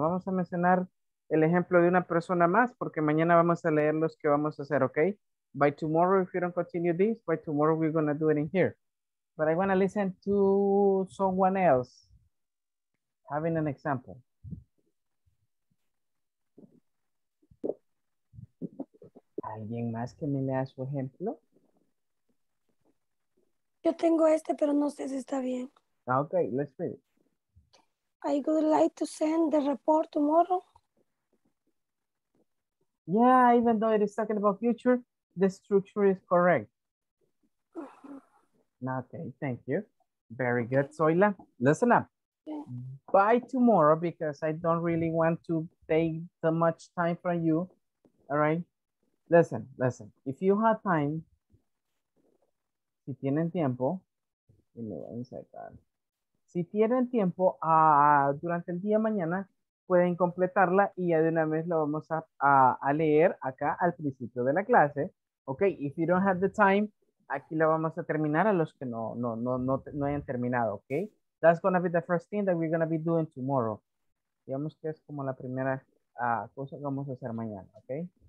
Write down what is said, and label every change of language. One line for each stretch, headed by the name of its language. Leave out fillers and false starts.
Spanish: Vamos a mencionar el ejemplo de una persona más porque mañana vamos a leer los que vamos a hacer, okay?
English: By tomorrow, if you don't continue this, by tomorrow we're going to do it in here. But I want to listen to someone else having an example.
Spanish: ¿Alguien más que me lea su ejemplo? Yo tengo este, pero no sé si está bien.
English: Okay, let's read it. I would like to send the report tomorrow. Yeah, even though it is talking about future, the structure is correct. Okay, thank you. Very good, Zoila. Listen up. Yeah. By tomorrow, because I don't really want to take so much time from you, all right? Listen, if you have time,
Spanish: si tienen tiempo, durante el día mañana pueden completarla y ya de una vez lo vamos a leer acá al principio de la clase.
English: Ok, if you don't have the time,
Spanish: aquí la vamos a terminar a los que no hayan terminado, ok?
English: That's going to be the first thing that we're going to be doing tomorrow.
Spanish: Digamos que es como la primera cosa que vamos a hacer mañana, ok?